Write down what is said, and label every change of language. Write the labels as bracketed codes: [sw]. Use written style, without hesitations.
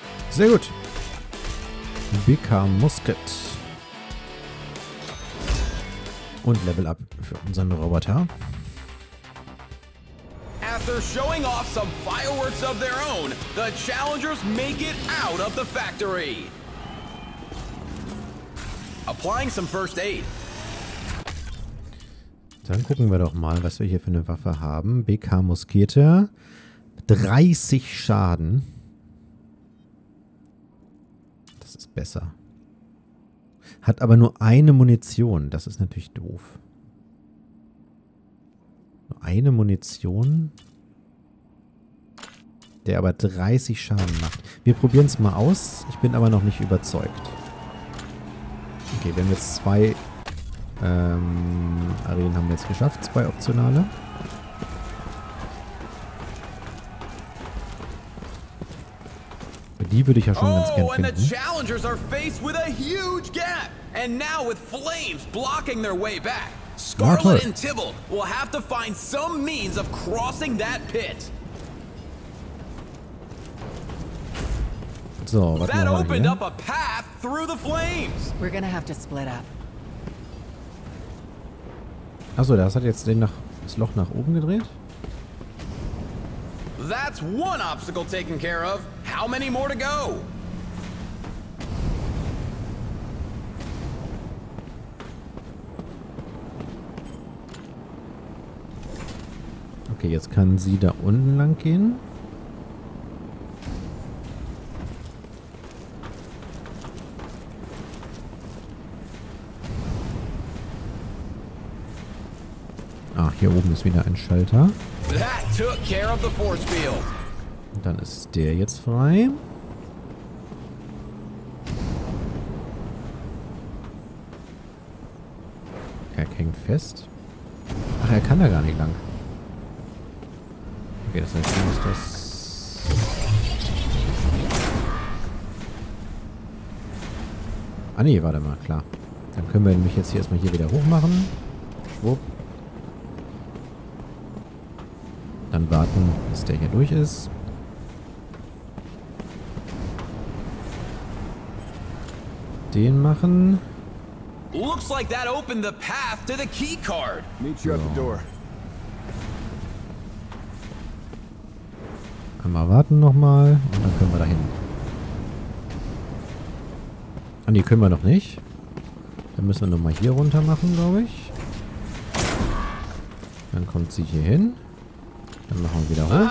[de] Sehr gut. BK Musket. Und Level Up für unseren Roboter. [en] After showing off some fireworks of their own, the challengers make it out of the factory. Applying some first aid. [de] Dann gucken wir doch mal, was wir hier für eine Waffe haben. BK Muskete. 30 Schaden. Besser. Hat aber nur eine Munition. Das ist natürlich doof. Nur eine Munition, der aber 30 Schaden macht. Wir probieren es mal aus. Ich bin aber noch nicht überzeugt. Okay, wir haben jetzt zwei Arenen haben wir jetzt geschafft. Zwei optionale. Die würde ich ja schon ganz gerne finden. [en] Challengers are faced with a huge gap and now with flames blocking their way back. Scarlet and Tybalt will have to find some means of crossing that pit. [de] So, warte mal. [en] That opened up a path through the flames. We're gonna have to split up. [de] Achso, das hat jetzt das Loch nach oben gedreht. [en] That's one obstacle taken care of. How many more to go? [de] Okay, jetzt kann sie da unten lang gehen. Ah, hier oben ist wieder ein Schalter. [en] That took care of the force field. [de] Und dann ist der jetzt frei. Er hängt fest. Ach, er kann da gar nicht lang. Okay, das heißt, muss das... Ah nee, warte mal, klar. Dann können wir mich jetzt hier erstmal hier wieder hochmachen. Schwupp. Dann warten, bis der hier durch ist. Den machen. [en] Looks like that opened the path to the key card. Meet you at the door. [de] Einmal warten nochmal und dann können wir dahin. Ah, nee, können wir noch nicht. Dann müssen wir nochmal hier runter machen, glaube ich. Dann kommt sie hier hin. Dann machen wir wieder hoch.